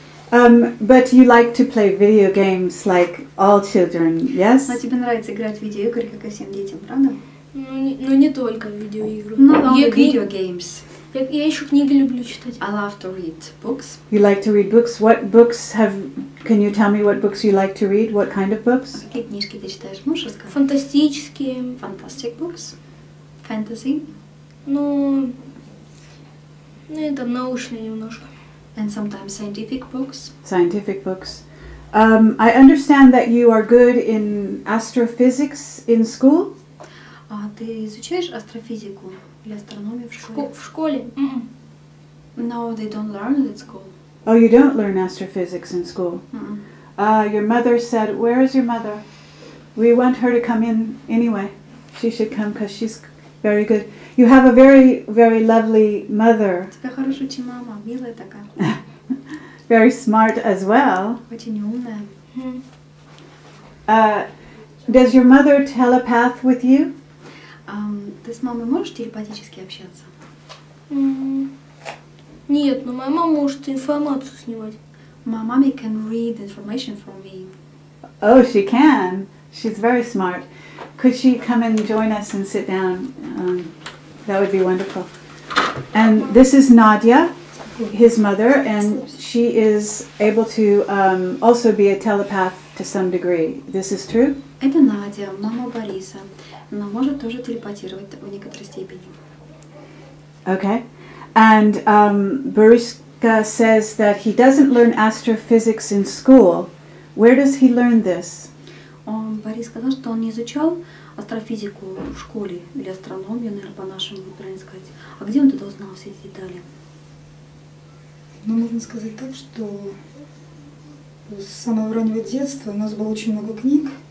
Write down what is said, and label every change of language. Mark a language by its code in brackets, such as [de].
[en] But you like to play video games like all children, yes? [ru] А тебе нравится играть в видеоигры, как и всем детям, правда? Не только в видеоигры. [en] Not only video games. [ru] Я еще книги люблю читать. [en] I love to read books. You like to read books? What books have... Can you tell me what books you like to read? What kind of books? [ru] А какие книжки ты читаешь? Можешь рассказать? Фантастические. [en] Fantastic books? Fantasy? [ru] Это научные немножко. [en] And sometimes scientific books. Scientific books. I understand that you are good in astrophysics in school. [ru] А ты изучаешь астрофизику или астрономию в школе? В школе. [en] No, they don't learn it at school. Oh, you don't learn astrophysics in school. Your mother said, "Where is your mother? We want her to come in anyway. She should come because she's very good." You have a very, very lovely mother. [ru] У тебя хорошая очень мама, милая такая. [en] Very smart as well. [ru] Очень умная. [en] Does your mother telepath with you? [ru] Ты с мамой можешь телепатически общаться? Нет, но моя мама может информацию снимать. [en] My mommy can read information from me. Oh, she can. She's very smart. Could she come and join us and sit down? That would be wonderful. And this is Nadia, his mother, and she is able to also be a telepath to some degree. This is true? [ru] Это Надя, мама Бориса. Она может тоже телепатировать в некоторой степени. [en] Okay. And Boriska says that he doesn't learn astrophysics in school. Where does he learn this? [ru] Борис сказал, что он не изучал астрофизику в школе или астрономию, наверное, по-нашему, правильно сказать. А где он тогда узнал все эти детали? Можно сказать так, что с самого раннего детства у нас было очень много книг.